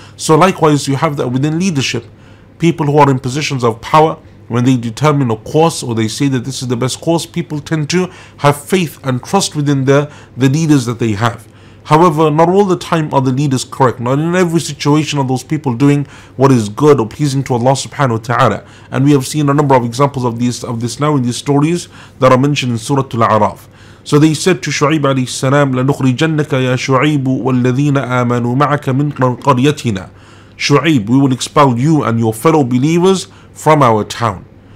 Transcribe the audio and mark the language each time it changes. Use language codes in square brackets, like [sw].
[en] So likewise, you have that within leadership. People who are in positions of power, when they determine a course or they say that this is the best course, people tend to have faith and trust within the leaders that they have. However, not all the time are the leaders correct. Not in every situation are those people doing what is good or pleasing to Allah subhanahu wa ta'ala. And we have seen a number of examples of this now in these stories that are mentioned in Surah Al-A'raf. So they said to [ar] Shu'ib alayhi salam, لَنُخْرِجَنَّكَ يَا شُعِيبُ وَالَّذِينَ آمَنُوا مَعَكَ مِنْ قَرْيَتِنَا. [en] Shu'ib, we will expel you and your fellow believers from our town.